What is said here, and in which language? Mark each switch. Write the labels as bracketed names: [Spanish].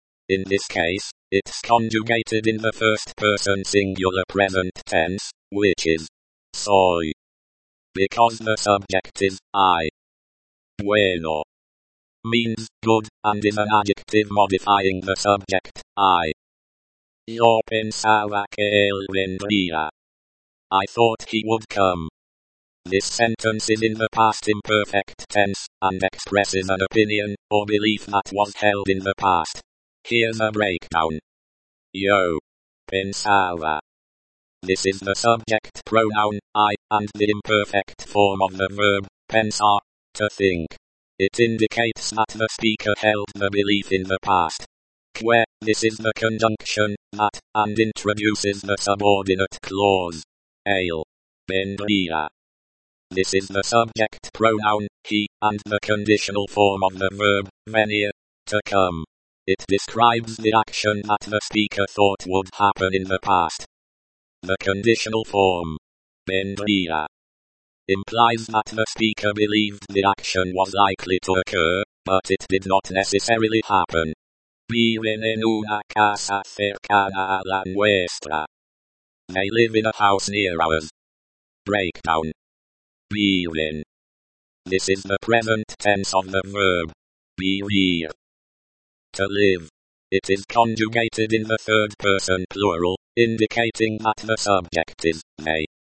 [English] In this case, it's conjugated in the first person singular present tense, which is, soy. Because the subject is, I. Bueno. Means, good, and is an adjective modifying the subject, I. [Spanish] Yo pensaba que él vendría. [English] I thought he would come. This sentence is in the past imperfect tense, and expresses an opinion, or belief that was held in the past. Here's a breakdown. Yo pensaba. This is the subject pronoun, I, and the imperfect form of the verb, pensar, to think. It indicates that the speaker held the belief in the past. Que, this is the conjunction, that, and introduces the subordinate clause. Él vendría. This is the subject pronoun, he, and the conditional form of the verb, venir, to come. It describes the action that the speaker thought would happen in the past. The conditional form, vendría, implies that the speaker believed the action was likely to occur, but it did not necessarily happen. [Spanish] Viven en una casa cercana a la nuestra. [English] They live in a house near ours. Breakdown. Viven. This is the present tense of the verb. Vivir. To live. It is conjugated in the third person plural, indicating that the subject is they.